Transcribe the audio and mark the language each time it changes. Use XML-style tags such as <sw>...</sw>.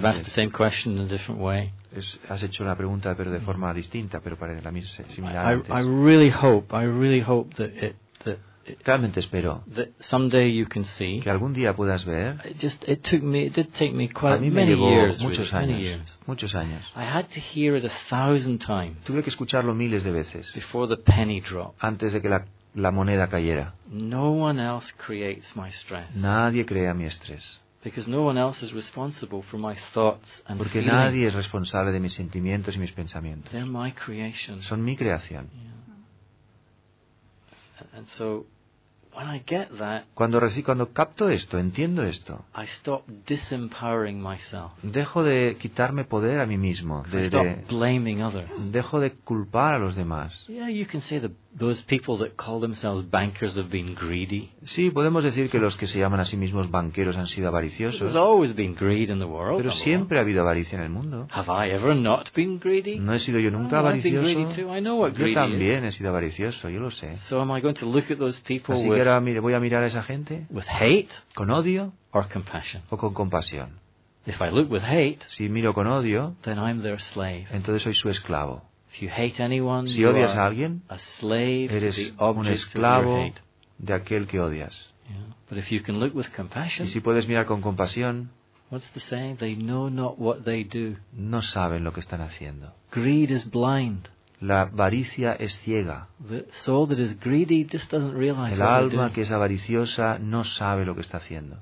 <en>You've asked the same question in a different way.</en> <es>Has hecho la pregunta, pero de forma distinta, pero para la misma similar.</es> <en>I really hope that</en> <es>realmente espero</es> <en>that someday you can see,</en> <es>que algún día puedas ver.</es> <en>It did take me quite</en> <es>a mí me</es> <en>many</en> <es>llevó</es> <en>years,</en> <es>muchos años,</es> <en>many years.</en> <es>Muchos años.</es> <en>I had to hear it 1,000 times.</en> <es>Tuve que escucharlo miles de veces.</es> <en>Before the penny dropped.</en> <es>Antes de que la moneda cayera.</es> <en>No one else creates my stress.</en> <es>Nadie crea mi estrés.</es> <en>Because no one else is responsible for my thoughts and</en> <es>Porque</es> <en>feelings.</en> <es>Nadie es responsable de mis sentimientos y mis pensamientos.</es> <en>They're my creation.</en> <es>Son mi creación.</es> <en>Yeah. And so when I get that,</en> <es>cuando capto esto, entiendo esto,</es> <en>I stop disempowering myself.</en> <es>Dejo de quitarme poder a mí mismo.</es> <en>Stop blaming others.</en> <es>Dejo de culpar a los demás.</es> <en>Yeah, you can say those people that call themselves bankers have been greedy.</en> <es>Sí, podemos decir que los que se llaman a sí mismos banqueros han sido avariciosos.</es> <en>There's always been greed in the world.</en> <es>Pero siempre ha habido avaricia en el mundo.</es> <en>Have I ever not been greedy?</en> <es>No he sido yo nunca avaricioso.</es> <en>I've been greedy too. I know what greedy</en> <es>yo también</es> <en>is.</en> <es>He sido avaricioso, yo lo sé.</es> <en>So am I going to look at those people</en> <es>Así que ahora mire, voy a mirar a esa gente</es> <en>with hate</en> <es>con odio</es> <en>or compassion.</en> <es>O con compasión.</es> <en>If I look with hate,</en> <es>si miro con odio,</es> <en>then I'm their slave.</en> <es>Entonces soy su esclavo.</es> <en>If you hate anyone,</en> <es>si odias a alguien,</es> <en>a slave</en> <es>eres</es> <en>to the object</en> <es>un esclavo</es> <en>of your hate.</en> <es>De aquel que odias.</es> <en>Yeah. But if you can look with compassion,</en> <es>y si puedes mirar con compasión,</es> <en>what's the saying? They know not what they do.</en> <es>No saben lo que están haciendo.</es> <en>Greed is blind.</en> <es>La avaricia es ciega.</es> <en>The soul that is greedy just doesn't realize</en> <es>El alma que es avariciosa no sabe lo que está haciendo.</es>